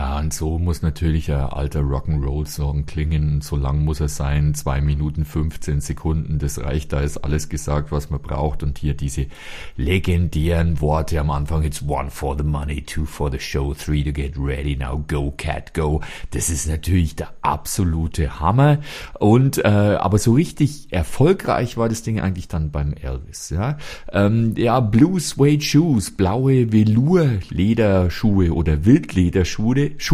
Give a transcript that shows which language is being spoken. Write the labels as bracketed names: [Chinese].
[German] So muss natürlich ein alter Rock'n'Roll-Song klingen. So lang muss er sein. 2 Minuten 15 Sekunden. Das reicht. Da ist alles gesagt, was man braucht. Und hier diese legendären Worte am Anfang. [English] It's one for the money, two for the show, three to get ready. Now go, cat, go. [German] Das ist natürlich der absolute Hammer. Und aber so richtig erfolgreich war das Ding eigentlich dann beim Elvis. Ja, Blue Suede Shoes, blaue Velour-Lederschuhe oder Wildlederschuhe.